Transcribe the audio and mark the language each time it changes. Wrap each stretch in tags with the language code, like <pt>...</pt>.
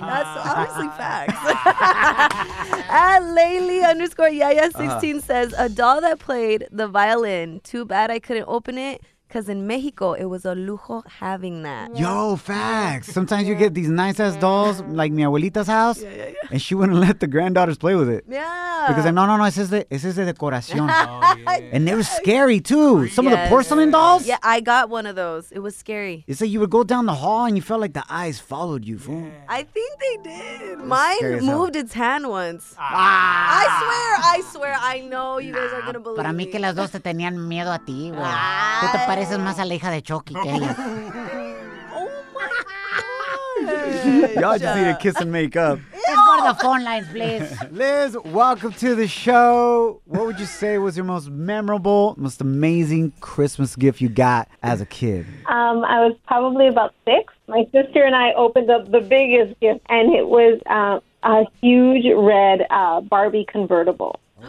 <en>Well, that's obviously facts. At Layli_Yaya16 says, a doll that plays the violin. Too bad I couldn't open it, because in Mexico it was a lujo having that. Yo, facts. Sometimes you get these nice ass dolls like mi abuelita's house, yeah. And she wouldn't let the granddaughters play with it. Yeah. Because like,</en> <es>no, es de decoración.</es> <en>Oh, yeah. And they were scary too. Some of the porcelain dolls. Yeah, I got one of those. It was scary. It's like you would go down the hall and you felt like the eyes followed you, fool. I think they did. Mine moved its hand once. Ah. I swear, I know you guys are going to believe.</en> <es>Para mí que las dos te tenían miedo a ti, güey. Pareces más a la hija de Chucky que ella.</es> <en>Oh my God. Y'all just need to kiss and make up. Let's go to the phone lines, please. Liz, welcome to the show. What would you say was your most memorable, most amazing Christmas gift you got as a kid? I was probably about 6. My sister and I opened up the biggest gift, and it was a huge red Barbie convertible.</en>